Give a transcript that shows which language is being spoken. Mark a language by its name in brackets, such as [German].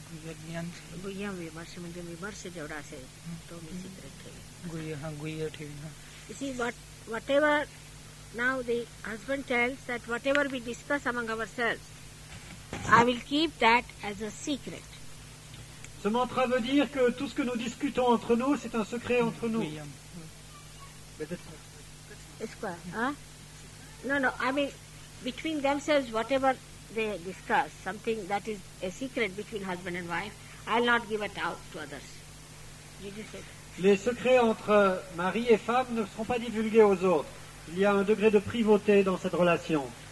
[English] You see, whatever now the husband tells, that whatever we discuss among ourselves, I will keep that as a secret. [French] Ce mantra veut dire que tout ce que nous discutons entre nous, c'est un secret entre nous. [English] It's quoi? No, I mean, between themselves, whatever they discuss, something that is a secret between husband and wife, I'll not give it out to others. You just said. [French] Les secrets entre mari et femme ne seront pas divulgués aux autres. Il y a un degré de privauté dans cette relation.